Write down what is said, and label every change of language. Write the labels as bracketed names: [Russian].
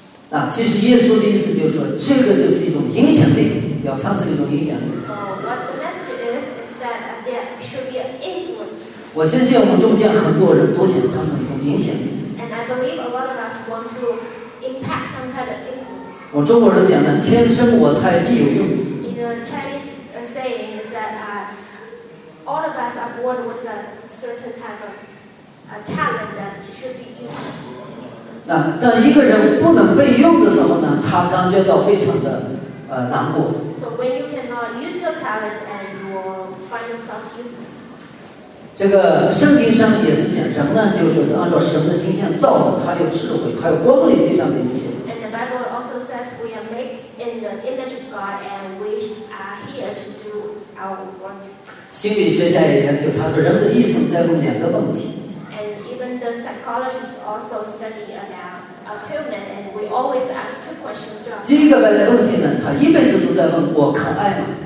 [Chinese] 那其实耶稣的意思就是说，这个就是一种影响力，要产生一种影响力。 [English] So what the message is that there should be an influence. [Chinese] 我相信我们中间很多人都想产生一种影响力。 [English] I believe a lot of us want to impact some kind of influence. [Chinese] 我中国人讲的天生我才必有用。 [English] In the Chinese saying is that all of us are born with a certain type of talent that should be used. [Chinese] 那当一个人不能被用的时候呢，他感觉到非常的难过。 [English] So when you cannot use your talent and you will find yourself useless. [Chinese] 这个圣经上也是讲，人呢就是按照神的形象造的，他有智慧，他有光明地上的一切。 [English] And the Bible also says we are made in the image of God, and we are here to do our work. [Chinese] 心理学家也研究，他说人的一生在乎两个问题。 [English] And even the psychologists also study about a human, and we always ask two questions. [Chinese] 第一个问题呢，他一辈子都在问我可爱吗